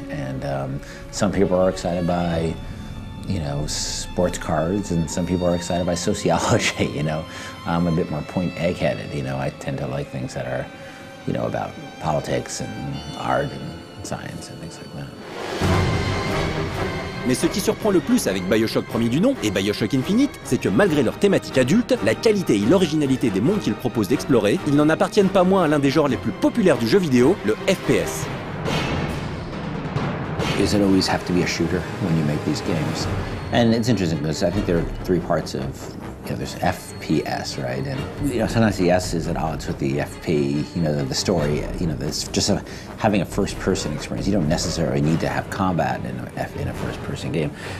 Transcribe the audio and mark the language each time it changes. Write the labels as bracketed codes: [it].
[en] And some people are excited by, you know, sports cards, and some people are excited by sociology, you know. I'm a bit more point egg-headed, you know. I tend to like things that are, you know, about politics and art and science and things like that. [fr] Mais ce qui surprend le plus avec BioShock premier du nom et BioShock Infinite, c'est que malgré leur thématique adulte, la qualité et l'originalité des mondes qu'ils proposent d'explorer, ils n'en appartiennent pas moins à l'un des genres les plus populaires du jeu vidéo, le FPS. [en] Does it always have to be a shooter when you make these games? And it's interesting because I think there are three parts of, you know, there's FPS, right? And you know, sometimes the S is at odds with the FP, you know, the story, you know, it's just having a first-person experience. You don't necessarily need to have combat in a first-person game.